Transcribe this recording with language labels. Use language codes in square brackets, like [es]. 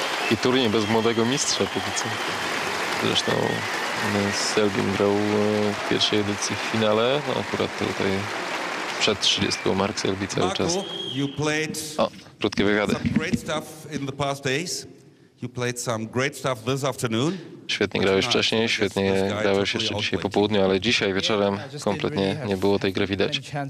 [pl] I turniej bez młodego mistrza póki co. Zresztą Selbin grał w pierwszej edycji w finale. No, akurat tutaj przed 30 Mark Selby cały czas. [en] You played [pl] krótkie wywiady. [en] Some great stuff in the past days. You played some great stuff this afternoon. [pl] Świetnie grałeś wcześniej, świetnie grałeś jeszcze dzisiaj po południu, ale dzisiaj wieczorem kompletnie nie było tej gry widać.